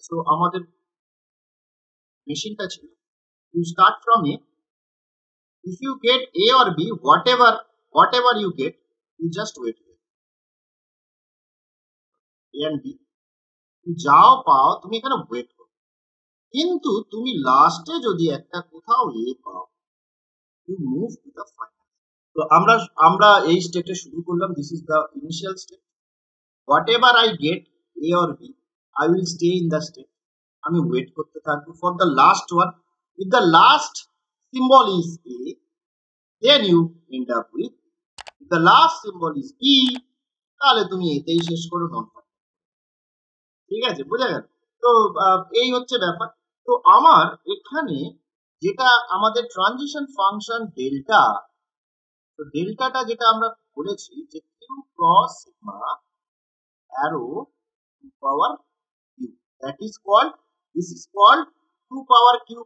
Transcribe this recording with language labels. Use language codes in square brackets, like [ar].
[en] so [bn] আমাদের মেশিনটা ছিল, [en] you start from A, if you get a or b, whatever you get, you just wait a and b, [bn] তুমি যাও পাও, তুমি এখানে ওয়েট করো, কিন্তু তুমি লাস্টে যদি একটা কোথাও a পাও, [en] you move to the final. [bn] তো আমরা আমরা এই স্টেটে শুরু করলাম, [en] this is the initial state, whatever I get a or b, I will stay in the state, [bn] আমি ওয়েট করতে থাকবো [en] for the last one, if the last symbol is A, then you end up with, if the last symbol is B, [bn] তাহলে তুমি এতেই শেষ করো, নন, ঠিক আছে? বোঝা গেল? তো এই হচ্ছে ব্যাপার। তো আমার এখানে যেটা আমাদের ট্রানজিশন ফাংশন ডেল্টা, তো ডেল্টাটা যেটা আমরা বলেছি যে Q cross sigma arrow two power Q, [en] That is called, this is called two power Q.